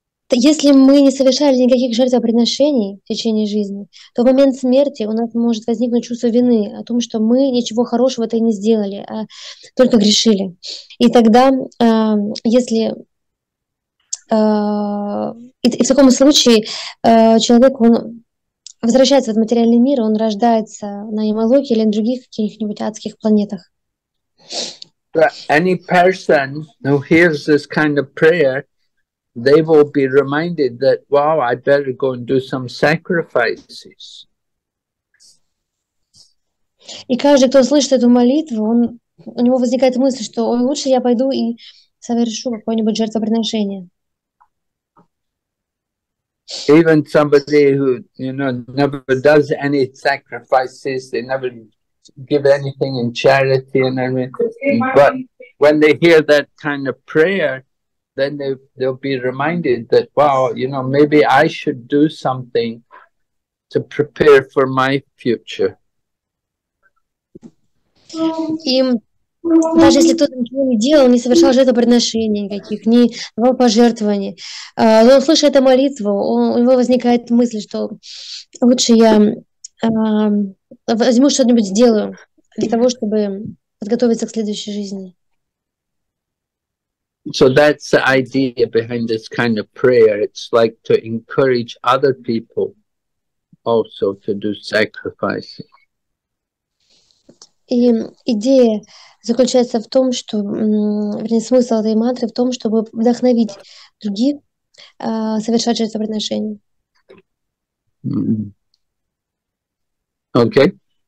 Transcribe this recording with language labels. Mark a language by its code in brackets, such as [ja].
[ru] Если мы не совершали никаких жертвоприношений в течение жизни, то в момент смерти у нас может возникнуть чувство вины о том, что мы ничего хорошего-то и не сделали, а только грешили. И тогда, если... И в таком случае человек, он возвращается в материальный мир, он рождается на Ямалоке или на других каких-нибудь адских планетах. [en] Any person who hears this kind of prayer, they will be reminded that, wow, I better go and do some sacrifices. [ru] И каждый, кто слышит эту молитву, он, у него возникает мысль, что ой, лучше я пойду и совершу какое-нибудь жертвоприношение. [en] Even somebody who, you know, never does any sacrifices, they never give anything in charity and everything, but when they hear that kind of prayer, then they'll be reminded that, wow, you know, maybe I should do something to prepare for my future. [ru] Даже если кто-то ничего не делал, не совершал жертвоприношений никаких, ни пожертвований, но он слышит эту молитву, у него возникает мысль, что лучше я возьму что-нибудь, сделаю для того, чтобы подготовиться к следующей жизни. [en] So that's the idea behind this kind of prayer. It's like to encourage other people also to do sacrifices. [ru] И идея заключается в том, что, вернее, смысл этой мантры в том, чтобы вдохновить других совершать жертвоприношения. Окей.